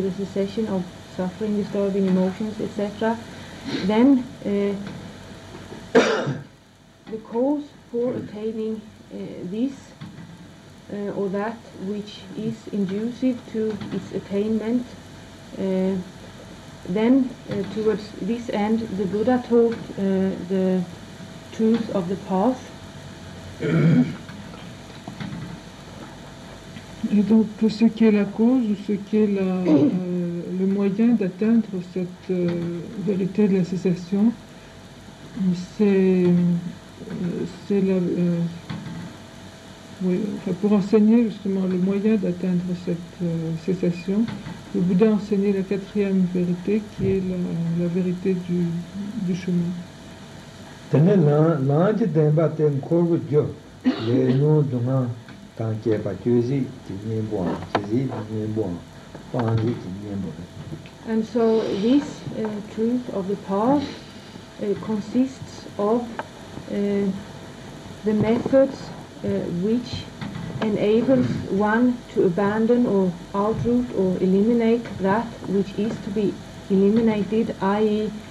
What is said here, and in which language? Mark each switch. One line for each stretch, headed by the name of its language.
English: the cessation of suffering, disturbing emotions, etc., then the cause for attaining this or that which is inducive to its attainment, then towards this end the Buddha taught the truth of the path.
French: Et donc pour ce qui est la cause ou ce qui est la, le moyen d'atteindre cette vérité de la cessation, c'est la, oui, enfin, pour enseigner justement le moyen d'atteindre cette cessation, le Bouddha a enseigné la quatrième vérité qui est la, la vérité du chemin.
English: And so this truth of the path consists of the methods which enables one to abandon or outroot or eliminate that which is to be eliminated, i.e.